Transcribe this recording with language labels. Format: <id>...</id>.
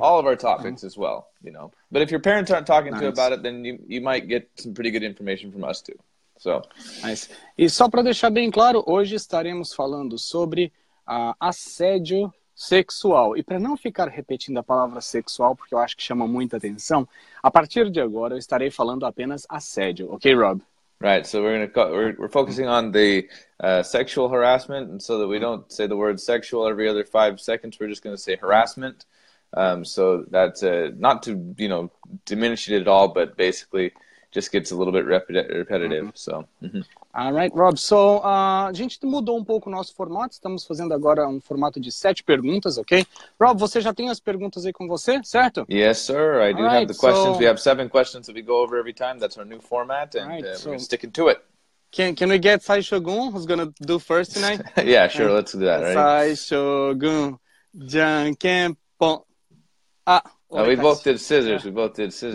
<en>All of our topics as well, you know. But if your parents aren't talking to about it, then you might get some pretty good information from us too. So. Nice.</en> <pt>E só para deixar bem claro, hoje estaremos falando sobre assédio sexual. E para não ficar repetindo a palavra sexual, porque eu acho que chama muita atenção, a partir de agora eu estarei falando apenas assédio, ok, Rob?</pt> <en>Right, so we're focusing on the sexual harassment, and so that we don't say the word sexual every other 5 seconds, we're just going to say harassment. So that's not to, you know, diminish it at all, but basically just gets a little bit repetitive. Uh-huh. So. Uh-huh. All right, Rob.</en> <pt>So a gente mudou um pouco o nosso formato. Estamos fazendo agora um formato de 7 perguntas, ok? Rob, você já tem as perguntas aí com você, certo?</pt> <en>Yes, sir. I do have the questions. We have 7 questions that we go over every time. That's our new format, and we're sticking to it. Can we get Sai Shogun, who's going to do first tonight? Yeah, sure. Let's do that, right? Sai Shogun, Janken Pong. Ah. No, we both did scissors. We both did scissors.</en>